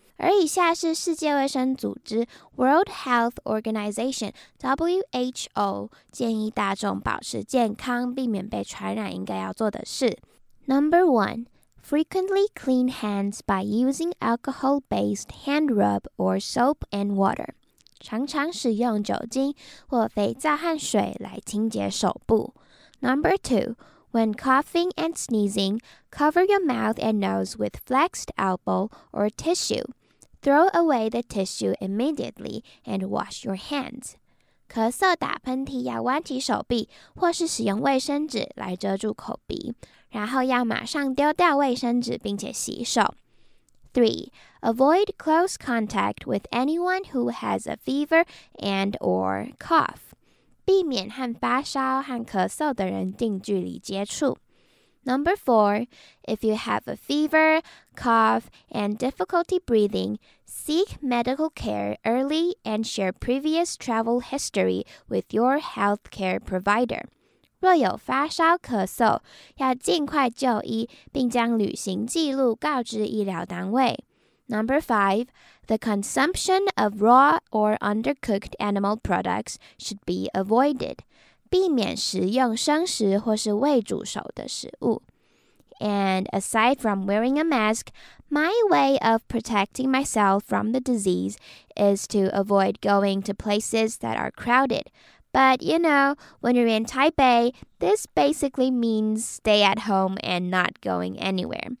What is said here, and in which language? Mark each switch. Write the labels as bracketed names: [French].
[Chinese] 而以下是世界卫生组织 World Health Organization WHO 建议大众保持健康，避免被传染应该要做的事。 [English] Number one. Frequently clean hands by using alcohol-based hand rub or soap and water. [Chinese] 常常使用酒精或肥皂和水来清洁手部。 [English] Number two, when coughing and sneezing, cover your mouth and nose with flexed elbow or tissue. Throw away the tissue immediately and wash your hands. [Chinese] 咳嗽打喷嚏要弯起手臂或是使用卫生纸来遮住口鼻。然后要马上丢掉卫生纸并且洗手。 3. [English] Avoid close contact with anyone who has a fever and or cough. [Chinese] 避免和发烧和咳嗽的人近距离接触。 [English] Number 4. If you have a fever, cough, and difficulty breathing, seek medical care early and share previous travel history with your healthcare provider. [Chinese] 若有发烧咳嗽，要尽快就医，并将旅行记录告知医疗单位。 [English] Number 5. The consumption of raw or undercooked animal products should be avoided. [Chinese] 避免食用生食或是未煮熟的食物。 [English] And aside from wearing a mask, my way of protecting myself from the disease is to avoid going to places that are crowded. But, you know, when you're in Taipei, this basically means stay at home and not going anywhere.